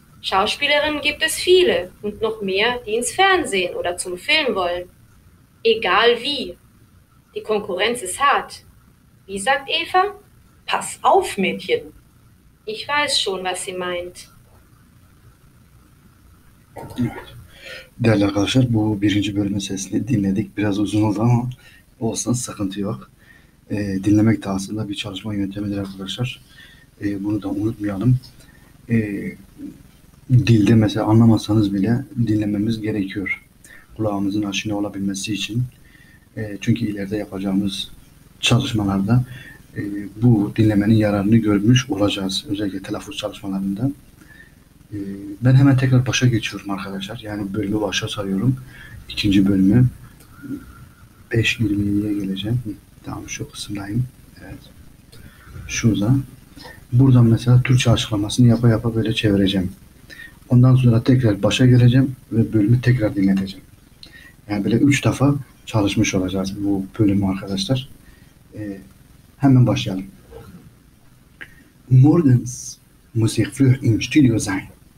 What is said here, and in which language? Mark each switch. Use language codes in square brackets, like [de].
[de] Schauspielerinnen gibt es viele und noch mehr, die ins Fernsehen oder zum Film wollen. Egal wie. Die Konkurrenz ist hart. Wie sagt Eva? Pass auf, Mädchen. Ich weiß schon, was sie meint. [tr] Değerli arkadaşlar, bu birinci bölümün sesini dinledik. Biraz uzun oldu ama olsun, sıkıntı yok. Dinlemek de aslında bir çalışma yöntemidir arkadaşlar. Bunu da unutmayalım. Dilde mesela anlamasanız bile dinlememiz gerekiyor. Kulağımızın aşina olabilmesi için. Çünkü ileride yapacağımız çalışmalarda bu dinlemenin yararını görmüş olacağız. Özellikle telaffuz çalışmalarında. Ben hemen tekrar başa geçiyorum arkadaşlar. Yani bölümü başa sayıyorum. İkinci bölümü. 5:27'ye geleceğim. Tamam, şu kısımdayım. Evet. Şurada. Buradan mesela Türkçe açıklamasını yapa yapa böyle çevireceğim. Ondan sonra tekrar başa geleceğim ve bölümü tekrar dinleteceğim. Yani böyle 3 defa çalışmış olacağız bu bölümü arkadaşlar. Hemen başlayalım. [de] Morgens Musik früh im Studio sein.